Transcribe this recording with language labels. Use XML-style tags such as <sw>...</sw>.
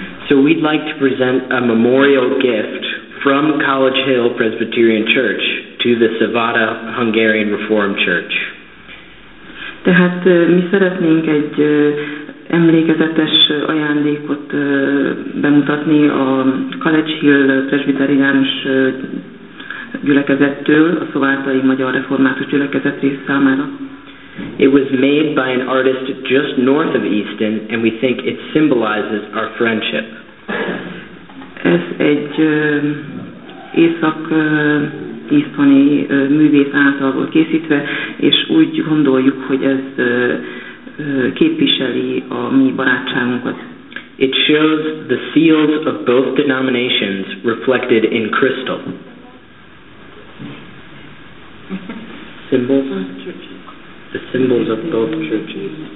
<en>So we'd like to present a memorial gift from College Hill Presbyterian Church to the Szevada Hungarian Reformed Church.</en> <hu>Tehát mi szeretnénk egy emlékezetes ajándékot bemutatni a College Hill Presbyteriánus gyülekezettől, a szovátai magyar református gyülekezet rész számára.</hu> <en>It was made by an artist just north of Easton, and we think it symbolizes our friendship.</en> <hu>Ez egy észak-easttoni művész által volt készítve, és úgy gondoljuk, hogy ez képviseli a mi barátságunkat.</hu> <en>It shows the seals of both denominations reflected in crystal. Symbols? The symbols of both churches.</en>